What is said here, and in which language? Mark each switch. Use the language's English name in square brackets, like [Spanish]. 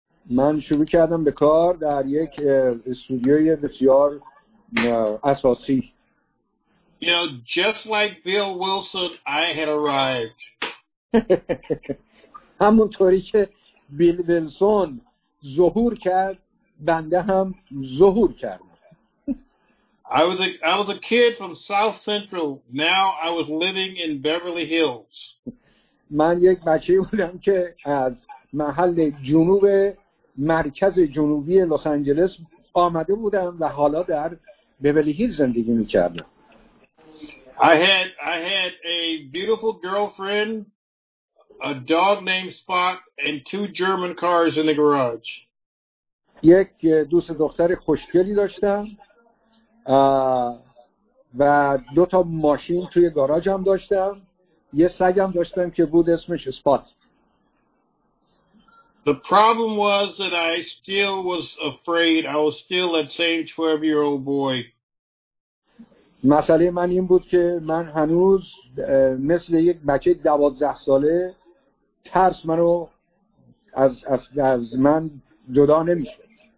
[Persian] من شروع کردم به کار در یک استودیوی بسیار اساسی. [English] You know, just like Bill Wilson, I had arrived. [Persian] همونطوری که بیل ویلسون ظهور کرد, بنده هم ظهور کردم. [English] I was a kid from South Central. Now I was living in Beverly Hills. [Persian] من یک بچه بودم که از محل جنوب مرکز جنوبی لس آنجلس آمده بودم و حالا در بیولی هیلز زندگی می‌کردم. [English] I had a beautiful girlfriend, a dog named Spot, and 2 German cars in the garage. [Persian] یک دوست دختر خوشگلی داشتم و 2 تا ماشین توی گاراژم داشتم. یه سگم داشتم که بود اسمش اسپات. [English] The problem was that I still was afraid. I was still that same 12-year-old boy. [Persian] مسئله من این بود که من هنوز مثل یک بچه 12 ساله ترس منو از من جدا نمی‌شد.